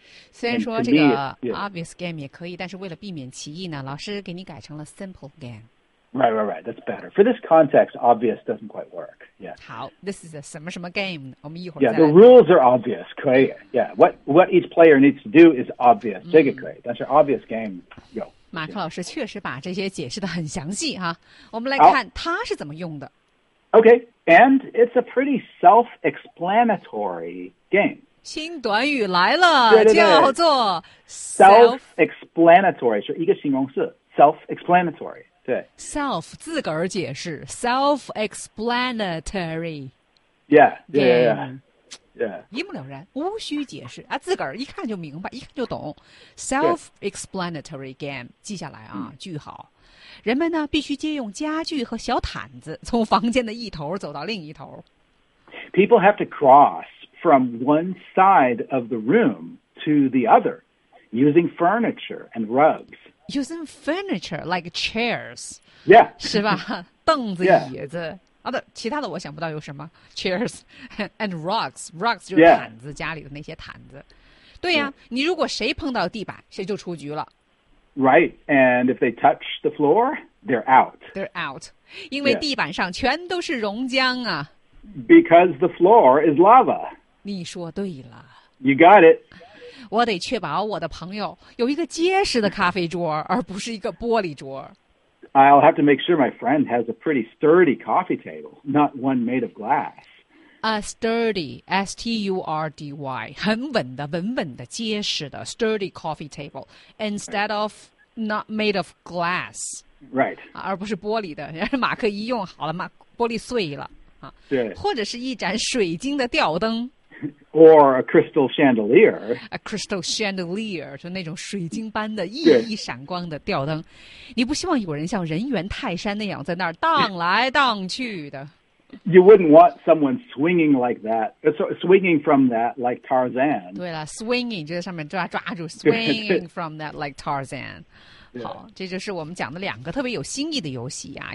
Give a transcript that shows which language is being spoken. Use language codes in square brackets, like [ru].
[zh] 虽然说这个 [en] obvious game [zh] 也可以，但是为了避免歧义呢，老师给你改成了 [en] simple game. Right, right, right. That's better for this context. Obvious doesn't quite work. Yeah. [zh] 好 ， [en] this is a [zh] 什么什么 game. 我们一会儿再。 [en] Yeah, the rules are obvious. [zh] 可以。 [en] Yeah, what each player needs to do is obvious. [zh] 这个可以，但是 [en] obvious game [zh] 有。马克老师确实把这些解释得很详细哈，我们来看他是怎么用的。 [en] Okay, and it's a pretty self-explanatory game. [zh] 新短语来了，叫做 self-explanatory， 是一个形容词 ，self-explanatory， 对。 self 自个儿解释 ，self-explanatory。 [en] Yeah. [zh] 一目了然，无需解释啊，自个儿一看就明白，一看就懂。 Self-explanatory game， 记下来啊，句号。人们呢必须借用家具和小毯子，从房间的一头走到另一头。 [en] People have to cross from one side of the room to the other, using furniture and rugs. Using furniture like chairs. Yeah. [zh] 是吧？凳子、椅子。好的，其他的我想不到有什么 [en] chairs and rugs. [zh] Rugs 就是毯子，家里的那些毯子。对呀、你如果谁碰到地板，谁就出局了。 [en] Right, and if they touch the floor, they're out. They're out. [zh] 因为地板上全都是熔浆啊。 [en] Because the floor is lava. [zh] 你说对了。 [en] You got it. [zh] 我得确保我的朋友有一个结实的咖啡桌，而不是一个玻璃桌。 [en] I'll have to make sure my friend has a pretty sturdy coffee table, not one made of glass. A sturdy, S-T-U-R-D-Y, [zh] 很稳的、稳稳的、结实的 [en] sturdy coffee table, instead of not made of glass. Right. [zh] 而不是玻璃的，马克一用好了，玻璃碎了。对。或者是一盏水晶的吊灯。 [en] Or a crystal chandelier. A crystal chandelier, [zh] 就那种水晶般的熠熠闪光的吊灯。你不希望有人像人猿泰山那样在那儿荡来荡去的。 [en] You wouldn't want someone swinging like that, swinging from that like Tarzan. [zh] 对了 [en] swinging, [zh] 就在上面抓住 [en] swinging from that like Tarzan. [zh] 好这就是我们讲的两个特别有新意的游戏啊。